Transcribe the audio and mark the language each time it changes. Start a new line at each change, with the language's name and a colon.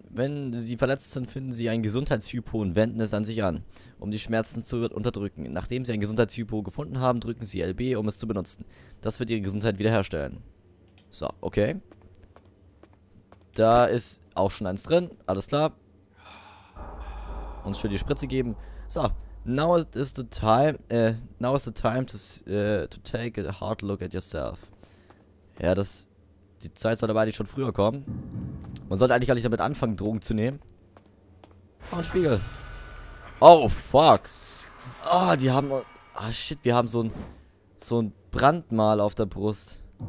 German: Wenn sie verletzt sind, finden sie ein Gesundheitshypo und wenden es an sich an, um die Schmerzen zu unterdrücken. Nachdem sie ein Gesundheitshypo gefunden haben, drücken sie LB, um es zu benutzen. Das wird ihre Gesundheit wiederherstellen. So, okay. Da ist auch schon eins drin. Alles klar. Uns schön die Spritze geben.
English: So, now is the time to take a hard look at yourself.
German: Ja, das... Die Zeit sollte aber eigentlich schon früher kommen. Man sollte eigentlich gar nicht damit anfangen, Drogen zu nehmen. Oh, ein Spiegel. Oh, fuck. Ah, oh, die haben... Ah, oh, shit, wir haben so ein Brandmal auf der Brust.